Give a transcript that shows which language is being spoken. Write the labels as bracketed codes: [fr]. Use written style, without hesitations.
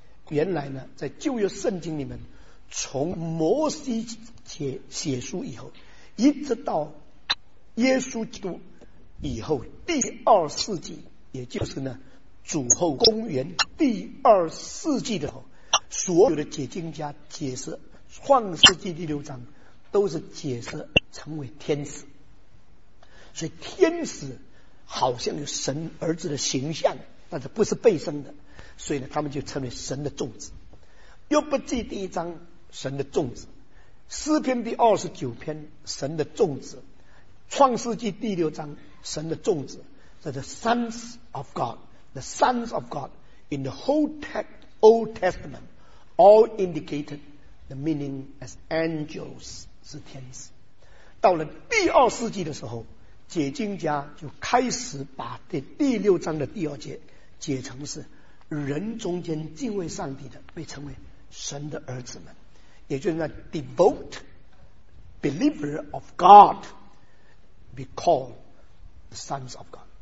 [zh] 原来呢，在旧约圣经里面，从摩西 写书以后，一直到耶稣基督以后第二世纪，也就是呢主后公元第二世纪的时候，所有的解经家解释创世纪第六章都是解释成为天使。所以天使好像有神儿子的形象，但是不是被生的，所以呢他们就称为神的众子。又不记第一章神的众子，诗篇第二十九篇神的众子，创世纪第六章神的众子，这是 [en] sons of God， the sons of God in the whole text Old Testament all indicated the meaning as angels， [zh] 是天使。到了第二世纪的时候，解经家就开始把这第六章的第二节解成是人中间敬畏上帝的被称为神的儿子们，也就是那 [en] devote believer of God [zh] be called the sons of God。